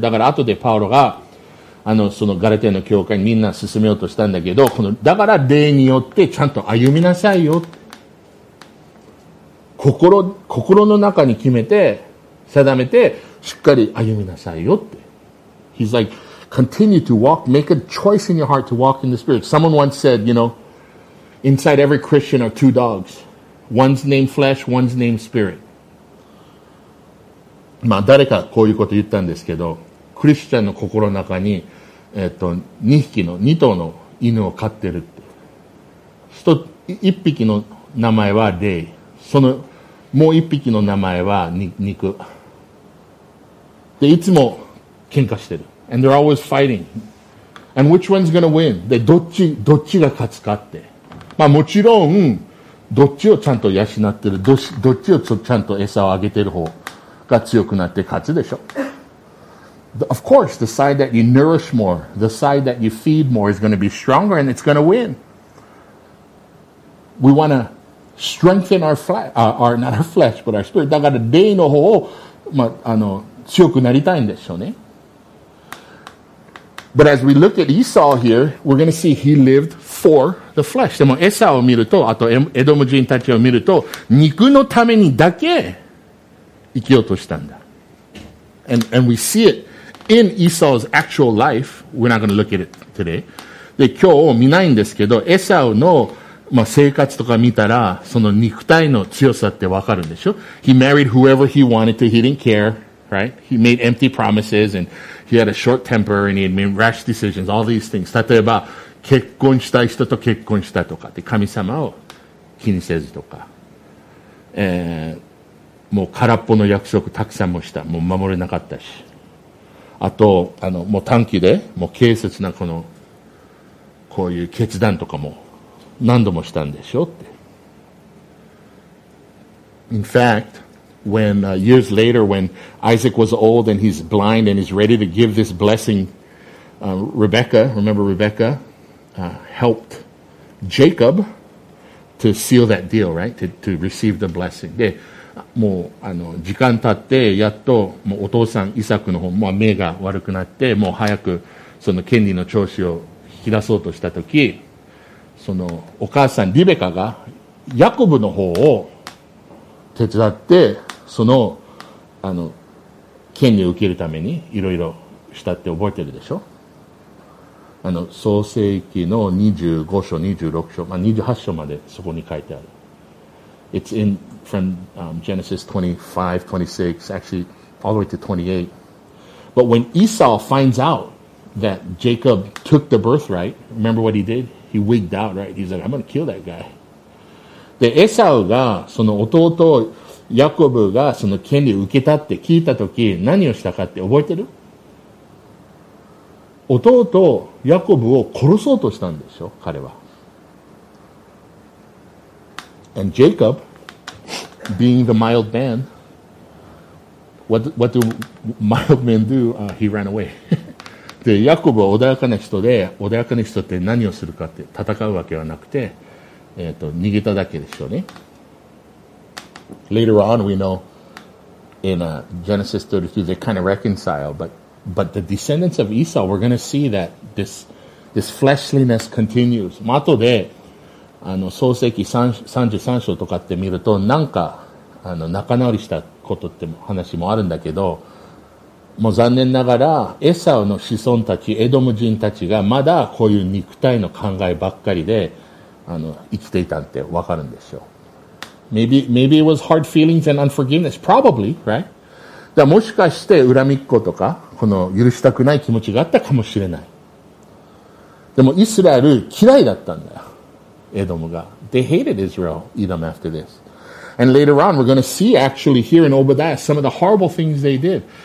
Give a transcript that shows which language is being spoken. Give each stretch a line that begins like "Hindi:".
Japanese: だから後でパウロが、あの、そのガラテヤの教会にみんな進めようとしたんだけど、この、だから霊によってちゃんと歩みなさいよ。心の中に決めて、定めて、しっかり歩みなさいよって。
English: He's like,Continue to walk, make a choice in your heart to walk in the Spirit. Someone once said, you know, inside every Christian are two dogs. One's named flesh, one's named spirit.
Japanese: まあ、誰かこういうこと言ったんですけど、クリスチャンの心の中に、2頭の犬を飼ってるって。一匹の名前は霊。その、もう一匹の名前は肉。で、いつも喧嘩してる。
English: And they're always fighting. And which one's gonna win?
Japanese: で、どっちが勝つかって。まあもちろん、どっちをちゃんと養ってる、どっちをちゃんと餌をあげてる方が強くなって勝つでしょ。
English: Of course, the side that you nourish more, the side that you feed more is going to be stronger and it's going to win. We want to strengthen our flesh, not our flesh, but our spirit.
Japanese: だから霊の方を、まあ、あの強くなりたいんでしょうね。
English: But as we look at Esau here, we're going to see he lived for the flesh.
Japanese: でもエサを見ると、あとエドム人たちを見ると、肉のためにだけ生きようとしたんだ。
English: And we see it in Esau's actual life. We're not going to look at it today.
Japanese: で、今日見ないんですけど、エサウの、まあ、生活とか見たら、その肉体の強さってわかるんでしょ?
English: He married whoever he wanted to. He didn't care, right? He made empty promises and he had a short temper and he had made rash decisions, all these things.
Japanese: 例えば、結婚したい人と結婚したとかって神様を気にせずとか。もう空っぽの約束たくさんもした。もう守れなかったし。あと、あの、もう短期で、もう軽率なこの、こういう決断とかも何度もしたんでしょうって。
English: In fact, when, years later, when Isaac was old and he's blind and he's ready to give this blessing, Rebecca, remember Rebecca, helped Jacob to seal that deal, right? To receive the blessing.
Japanese: で、もう、あの、時間経って、やっと、もうお父さん、イサクの方、まあ、目が悪くなって、もう早く、その権利の聴取を引き出そうとしたとき、その、お母さん、リベカが、ヤコブの方を手伝って、その、あの、権利を受けるために、いろいろしたって覚えてるでしょ? あの、創世記の25章、26章、まあ、28章までそこに書いてある。
English: It's in from Genesis 25, 26, actually all the way to 28. But when Esau finds out that Jacob took the birthright, remember what he did? He wigged out, right? He's like, I'm going to kill that guy.
Japanese: で、エサウがその弟ヤコブがその権利を受けたって聞いたとき、何をしたかって覚えてる? 弟ヤコブを殺そうとしたんでしょ、彼は。
English: And Jacob, being the mild man, what do mild men do? He ran away.
Japanese: で、ヤコブは穏やかな人で、穏やかな人って何をするかって、戦うわけはなくて、逃げただけでしょうね。
English: Later on, we know in Genesis 32, they kind of reconcile, but the descendants of Esau, we're going to see that this fleshliness continues.
Japanese: まあ、後で、あの創世記33章とかって見るとなんかあの仲直りしたことって話もあるんだけど、もう残念ながらエサウの子孫たちエドム人たちがまだこういう肉体の考えばっかりであの生きていたってわかるんですよ。
English: Maybe it was hard feelings and unforgiveness. Probably, right?
Japanese: だもしかして恨みっことかこの許したくない気持ちがあったかもしれない。でもイスラエル嫌いだったんだよ。
English: They hated Israel, Edom, after this. And later on, we're going to see actually here in Obadiah some of the horrible things they did.